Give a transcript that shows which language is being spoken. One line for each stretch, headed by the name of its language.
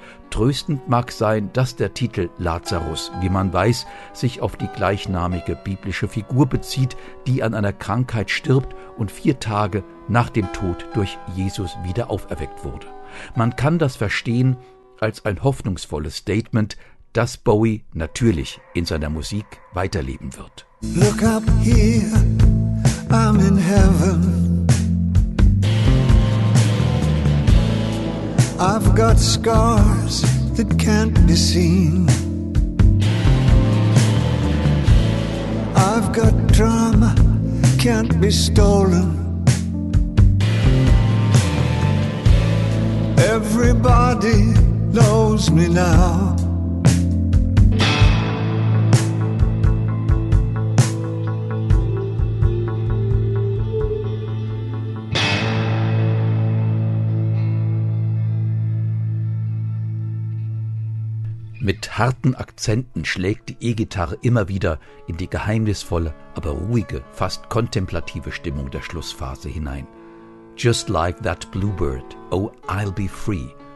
German: Tröstend mag sein, dass der Titel Lazarus, wie man weiß, sich auf die gleichnamige biblische Figur bezieht, die an einer Krankheit stirbt und 4 Tage nach dem Tod durch Jesus wieder auferweckt wurde. Man kann das verstehen als ein hoffnungsvolles Statement, dass Bowie natürlich in seiner Musik weiterleben wird.
English: Look up here, I'm in heaven. I've got scars that can't be seen. I've got drama, can't be stolen. Everybody knows me now.
German: Mit harten Akzenten schlägt die E-Gitarre immer wieder in die geheimnisvolle, aber ruhige, fast kontemplative Stimmung der Schlussphase hinein.
English: Just like that bluebird, oh, I'll be free.